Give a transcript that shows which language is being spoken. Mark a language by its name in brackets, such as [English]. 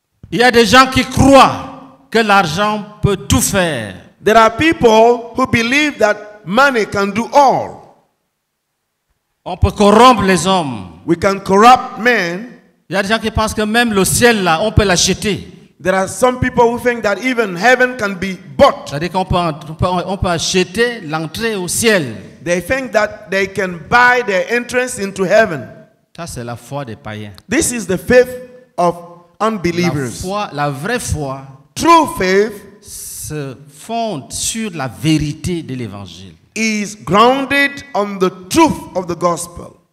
[French] Il y a des gens qui croient que l'argent peut tout faire. [English] There are people who believe that money can do all. [French] On peut corrompre les hommes. [English] We can corrupt men. [French] Il y a des gens qui pensent que même le ciel là, on peut l'acheter. [English] There are some people who think that even heaven can be bought. [French] C'est-à-dire qu'on peut acheter l'entrée au ciel. [English] They think that they can buy their entrance into heaven. [French] Ça, c'est la foi des païens. [English] This is the faith of unbelievers. [French] La vraie foi, [English] true faith, [French] se fonde sur la vérité de l'évangile. [English] Is grounded on the truth of the gospel.